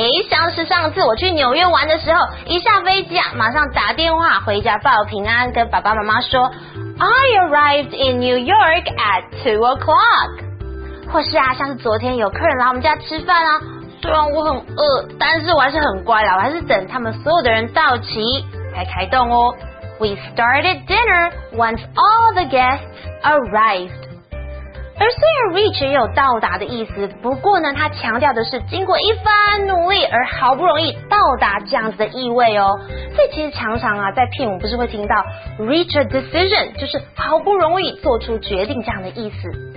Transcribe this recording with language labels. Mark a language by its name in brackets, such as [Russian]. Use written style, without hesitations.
[Chinese] 像是上次我去纽约玩的时候，一下飞机啊，马上打电话回家报平安，跟爸爸妈妈说 [English] I arrived in New York at 2 o'clock。 [Chinese] 或是啊，像是昨天有客人来我们家吃饭啊，虽然我很饿，但是我还是很乖啦，我还是等他们所有的人到齐才开动哦。 [English] We started dinner once all the guests arrived. [Chinese] 而虽然 reach 也有到达的意思，不过呢，它强调的是经过一番努力而好不容易到达这样子的意味哦。所以其实常常啊，在片尾不是会听到 reach a decision， 就是好不容易做出决定这样的意思。